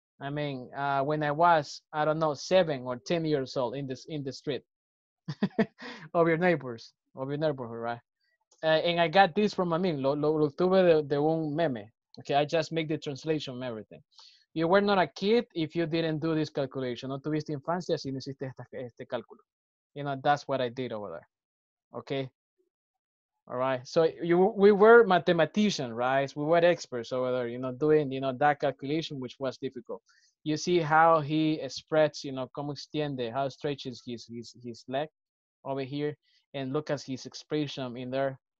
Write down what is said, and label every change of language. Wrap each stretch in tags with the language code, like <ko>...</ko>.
<en>I mean, when I was, I don't know, 7 or 10 years old in the street of your neighbors, of your neighborhood, right? And I got this from a meme,</en> <es>lo tuve de un meme.</es> <en>Okay, I just make the translation of everything. You were not a kid if you didn't do this calculation.</en> <es>No tuviste infancia si no hiciste este cálculo.</es> <en>You know, that's what I did over there. Okay? All right. So we were mathematicians, right? We were experts over there, you know, doing, you know, that calculation, which was difficult. You see how he spreads, you know,</en> <es>como extiende,</es> <en>how stretches his leg over here. And look at his expression in there.</en>